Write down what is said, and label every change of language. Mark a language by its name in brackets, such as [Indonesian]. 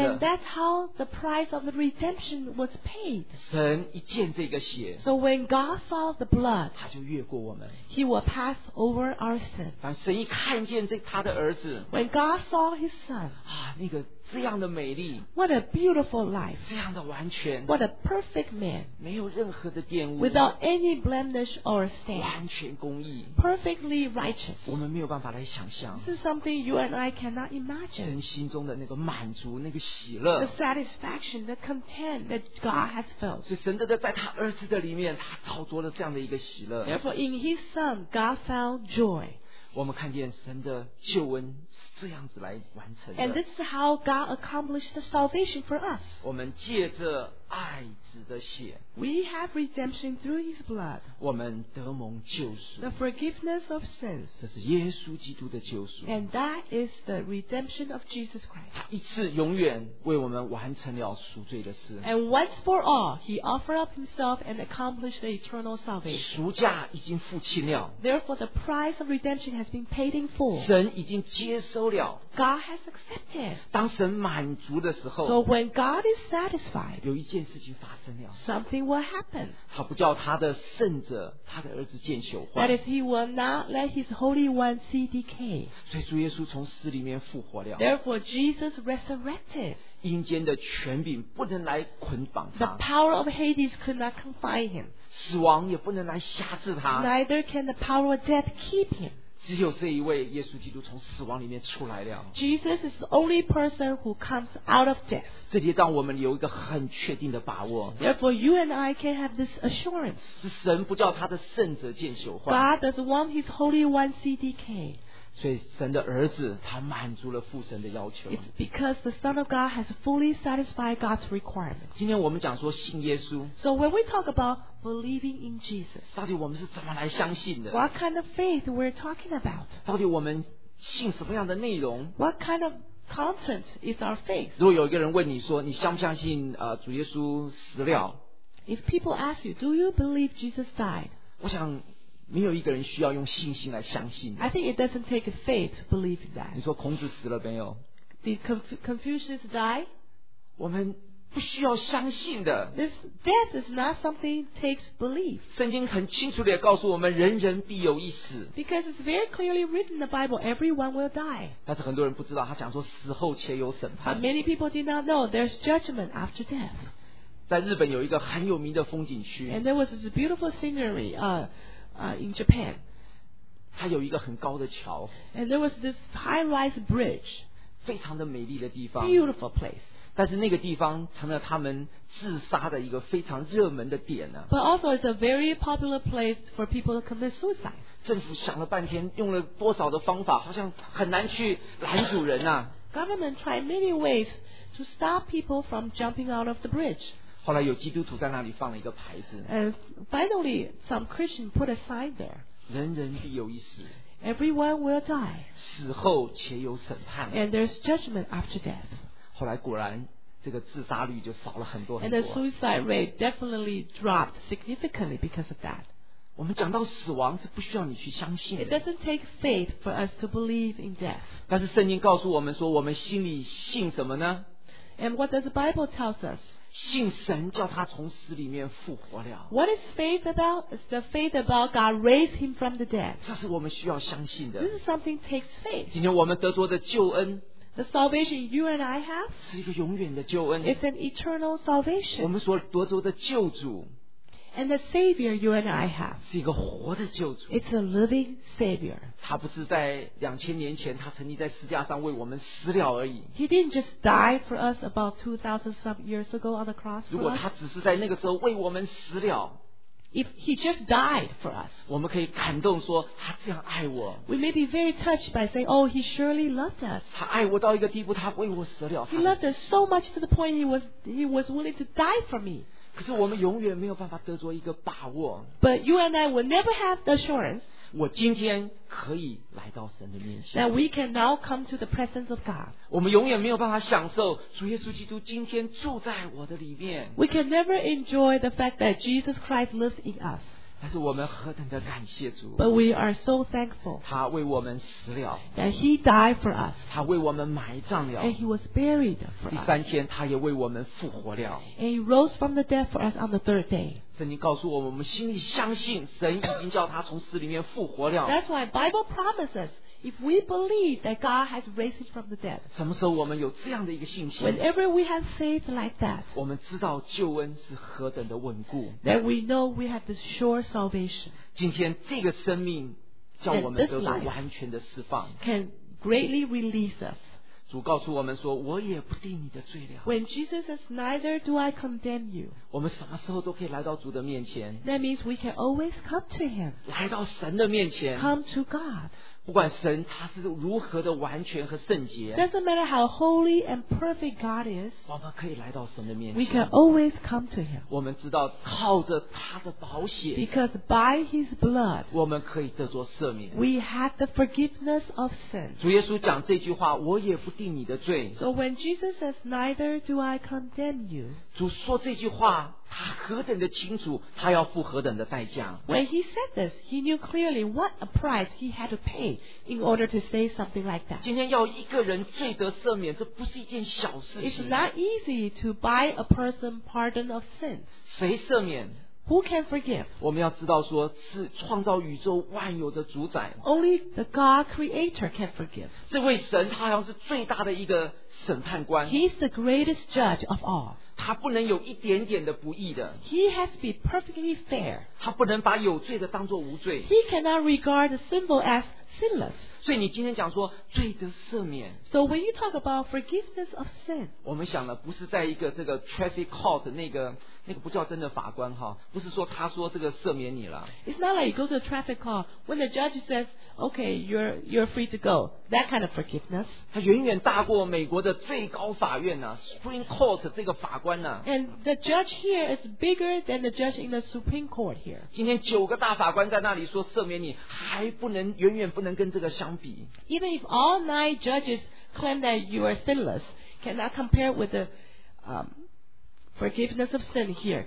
[English] And that's how the price of the redemption was paid. [Chinese] 神一见这个血。 [English] So when God saw the blood, [Chinese] 他就越过我们。 [English] He will pass over our sin. [Chinese] 当神一看见这他的儿子。 [English] When God saw his son, [Chinese] 啊，那个这样的美丽。 [English] What a beautiful life. [Chinese] 这样的完全。 [English] What a perfect man. [Chinese] 没有任何的玷污。 [English] Without any blemish or stain. [Chinese] 完全公义。 [English] Perfectly righteous. [Chinese] 我们没有办法来想象。 [English] This is something you and I cannot imagine. [Chinese] 神心中的那个满足，那个喜乐。 [English] The satisfaction, the content that God has felt. [Chinese] 是神的在他儿子的里面，他操作了这样的一个喜乐。 [English] Therefore, in his son, God felt joy. [Chinese] 我们看见神的救恩是这样子来完成的。 [English] And this is how God accomplished the salvation for us. [Chinese] 我们借着爱子的血。 [English] We have redemption through His blood. [Chinese] 我们得蒙救赎。 [English] The forgiveness of sins. [Chinese] 这是耶稣基督的救赎。 [English] And that is the redemption of Jesus Christ. [Chinese] 他一次永远为我们完成了赎罪的事。 [English] And once for all, He offered up Himself and accomplished the eternal salvation. [Chinese] 赎价已经付清了。 [English] Therefore, the price of redemption has been paid in full. [Chinese] 神已经接收了。 [English] God has accepted. [Chinese] 当神满足的时候。 [English] So when God is satisfied, [Chinese] 有一件事情发生了。 [English] Something will happen. [Chinese] 他不叫他的圣者，他的儿子见朽坏。 [English] That is, he will not let his holy one see decay. [Chinese] 所以主耶稣从死里面复活了。 [English] Therefore, Jesus resurrected. [Chinese] 阴间的权柄不能来捆绑他。 [English] The power of Hades could not confine him. [Chinese] 死亡也不能来辖制他。 [English] Neither can the power of death keep him. [Chinese] 只有这一位耶稣基督从死亡里面出来了。 [English] Jesus is the only person who comes out of death. [Chinese] 这也让我们有一个很确定的把握。 [English] Therefore, you and I can have this assurance. [Chinese] 是神不叫他的圣者见朽坏。 [English] God does want his holy one see decay. [Chinese] 所以神的儿子他满足了父神的要求。 [English] It's because the Son of God has fully satisfied God's requirement. [Chinese] 今天我们讲说信耶稣。 [English] So when we talk aboutBelieving in Jesus. [Chinese] 到底我们是怎么来相信的？ [English] What kind of faith we're talking about? [Chinese] 到底我们信什么样的内容？ [English] What kind of content is our faith? [Chinese] 如果有一个人问你说，你相不相信主耶稣死了？ [English] If people ask you, do you believe Jesus died? [Chinese] 我想没有一个人需要用信心来相信。 [English] I think it doesn't take faith to believe that. [Chinese] 你说孔子死了没有？ [English] Did Confucius die? [Chinese] 我们不需要相信的。 [English] This death is not something takes belief. [Chinese] 圣经很清楚地告诉我们，人人必有一死。 [English] Because it's very clearly written in the Bible, everyone will die. [Chinese] 但是很多人不知道，他讲说死后且有审判。 [English] But many people did not know there's judgment after death. [Chinese] 在日本有一个很有名的风景区。 [English] And there was this beautiful scenery, in Japan. [Chinese] 它有一个很高的桥。 [English] And there was this high-rise bridge. [Chinese] 非常的美丽的地方。 [English] Beautiful place. [Chinese] 但是那个地方成了他们自杀的一个非常热门的点呢、啊。 [English] But also it's a very popular place for people to commit suicide. [Chinese] 政府想了半天，用了多少的方法，好像很难去拦阻人呐、啊。 [English] Government tried many ways to stop people from jumping out of the bridge. [Chinese] 后来有基督徒在那里放了一个牌子。 [English] And finally, some Christian put a sign there. [Chinese] 人人必有一死。 [English] Everyone will die. [Chinese] 死后且有审判。 [English] And there's judgment after death. [Chinese] 后来果然这个自杀率就少了很多很多。 [English] And the suicide rate definitely dropped significantly because of that. [Chinese] 我们讲到死亡是不需要你去相信的。 [English] It doesn't take faith for us to believe in death. [Chinese] 但是圣经告诉我们说我们心里信什么呢？ [English] And what does the Bible tell us? [Chinese] 信神叫他从死里面复活了。 [English] What is faith about? It's the faith about God raised him from the dead. [Chinese] 这是我们需要相信的。 [English] This is something takes faith. [Chinese] 今天我们得着的救恩 [English] The salvation you and I have [Chinese] 是一个永远的救恩 [English] It's an eternal salvation [Chinese] 我们所得着的救主 [English] And the Savior you and I have. [Chinese] 是一个活的救主。 [English] It's a living Savior. [Chinese] 他不是在两千年前他曾经在十字架上为我们死了而已。 [English] He didn't just die for us about 2,000 some years ago on the cross. [Chinese] 如果他只是在那个时候为我们死了。 [English] If he just died for us. [Chinese] 我们可以感动说他这样爱我。 [English] We may be very touched by saying, oh, he surely loved us. [Chinese] 他爱我到一个地步他为我死了。 [English] He loved us so much to the point he was willing to die for me. [Chinese] 可是我们永远没有办法得着一个把握。 [English] But you and I will never have the assurance. [Chinese] 我今天可以来到神的面前。 [English] That we can now come to the presence of God. [Chinese] 我们永远没有办法享受主耶稣基督今天住在我的里面。 [English] We can never enjoy the fact that Jesus Christ lives in us. [Chinese] 但是我们何等的感谢主。 [English] But we are so thankful. [Chinese] 他为我们死了。 [English] And he died for us. [Chinese] 他为我们埋葬了。 [English] And he was buried for us. [Chinese] 第三天他也为我们复活了。 [English] And he rose from the dead for us on the third day. [Chinese] 圣经告诉我们，我们心里相信神已经叫他从死里面复活了。 [English] That's why Bible promises if we believe that God has raised him from the dead. [Chinese] 什么时候我们有这样的一个信心？ [English] Whenever we have faith like that. [Chinese] 我们知道救恩是何等的稳固。 [English] That we know we have the sure salvation. [Chinese] 今天这个生命叫我们得到完全的释放。 [English] Can greatly release us. [Chinese] 主告诉我们说，我也不定你的罪了。 [English] When Jesus says, neither do I condemn you. [Chinese] 我们什么时候都可以来到主的面前。 [English] That means we can always come to him. [Chinese] 来到神的面前。 [English] Come to God. [Chinese] 不管神他是如何的完全和圣洁 [English] Doesn't matter how holy and perfect God is [Chinese] 我们可以来到神的面前 [English] We can always come to him [Chinese] 我们知道靠着他的宝血 [English] Because by his blood [Chinese] 我们可以得着赦免 [English] We have the forgiveness of sin [Chinese] 主耶稣讲这句话我也不定你的罪 [English] So when Jesus says neither do I condemn you [Chinese] 主说这句话他何等的清楚他要付何等的代价 [English] When he said this he knew clearly what a price he had to payin order to say something like that. [Chinese] 今天要一个人罪得赦免，这不是一件小事情。 [English] It's not easy to buy a person pardon of sins. [Chinese] 谁赦免？ [English] Who can forgive? [Chinese] 我们要知道说是创造宇宙万有的主宰。 [English] Only the God Creator can forgive. [Chinese] 这位神他好像是最大的一个审判官。 [English] He's the greatest judge of all. [Chinese] 他不能有一点点的不义的。 [English] He has to be perfectly fair. [Chinese] 他不能把有罪的当作无罪。 [English] He cannot regard the sinful as sinless. [Chinese] 所以你今天讲说罪得赦免。 [English] So when you talk about forgiveness of sin, [Chinese] 我们想的不是在一个这个 traffic court 那个不叫真的法官哈，不是说他说这个赦免你了。 [English] It's not like you go to a traffic court when the judge says. Okay, you're free to go. That kind of forgiveness. [Chinese] 它远远大过美国的最高法院呢 ，Supreme Court 这个法官呢。 [English] And the judge here is bigger than the judge in the Supreme Court here. [Chinese] 今天九个大法官在那里说赦免你，还不能远远不能跟这个相比。 [English] Even if all nine judges claim that you are sinless, cannot compare with the forgiveness of sin here.